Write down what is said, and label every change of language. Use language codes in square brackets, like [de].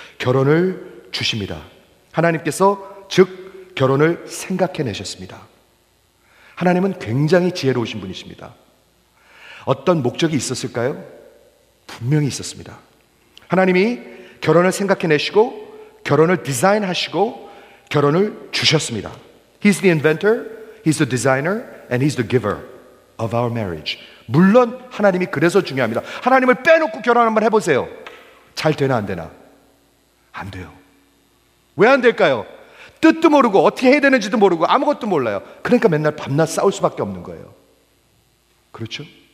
[ko] 결혼을 주십니다. 하나님께서 즉 결혼을 생각해내셨습니다. 하나님은 굉장히 지혜로우신 분이십니다. 어떤 목적이 있었을까요? 분명히 있었습니다. 하나님이 결혼을 생각해내시고 결혼을 디자인하시고 결혼을 주셨습니다. [en] He's the inventor, he's the designer, and he's the giver of our marriage. [ko] 물론 하나님이 그래서 중요합니다. 하나님을 빼놓고 결혼 한번 해보세요. 잘 되나 안 되나? 안 돼요. 왜 안 될까요? 뜻도 모르고 어떻게 해야 되는지도 모르고 아무것도 몰라요. 그러니까 맨날 밤낮 싸울 수밖에 없는 거예요. 그렇죠?